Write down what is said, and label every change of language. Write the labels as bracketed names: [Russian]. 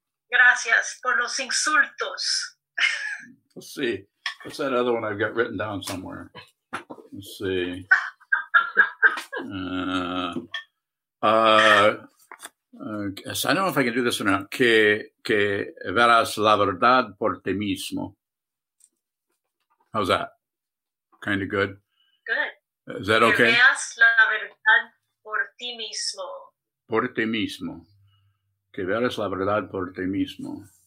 [Spanish] Gracias por los insultos. [English] Let's see. What's that other one I've got written down somewhere? Let's see. I don't know if I can do this or not. [Spanish] Que verás la verdad por ti mismo. [English] How's that? Kind of good. Good. Is that okay? [Spanish] Que veas la verdad por ti mismo. Por ti mismo. Que veras la verdad por ti mismo.